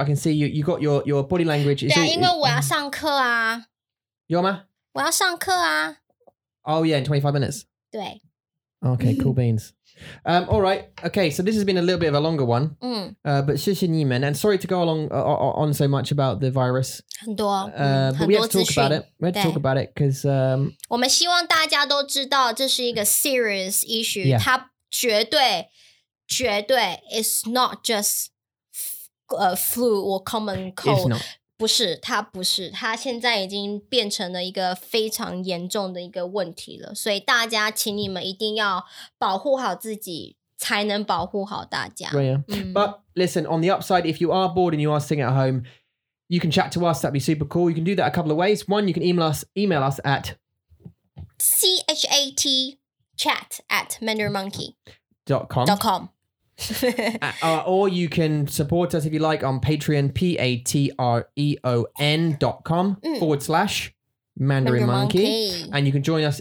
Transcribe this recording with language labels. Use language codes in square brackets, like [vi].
[en] I can see you got your body language. [zh] 对啊，因为我要上课啊。有吗？我要上课啊。 [en] Oh yeah, in 25 minutes. [zh] 对。 [en] Okay, cool beans. All right, okay, so this has been a little bit of a longer one. But [zh] 谢谢你们, [en] and sorry to go along on so much about the virus. [zh] 很多, [en] but we have to talk about it. We have to talk about it because [zh] 我们希望大家都知道这是一个 [en] serious issue. Yeah. [zh] 它, 绝对 [en] is not just a flu or common cold. It's not. [zh] 不是，它现在已经变成了一个非常严重的一个问题了。所以大家，请你们一定要保护好自己，才能保护好大家。 [en] Right, yeah. But listen, on the upside, if you are bored and you are sitting at home, you can chat to us. That'd be super cool. You can do that a couple of ways. One, you can email us at chatchat@mandarinmonkey.com. or you can support us if you like on Patreon, patreon.com/MandarinMonkey. And you can join us.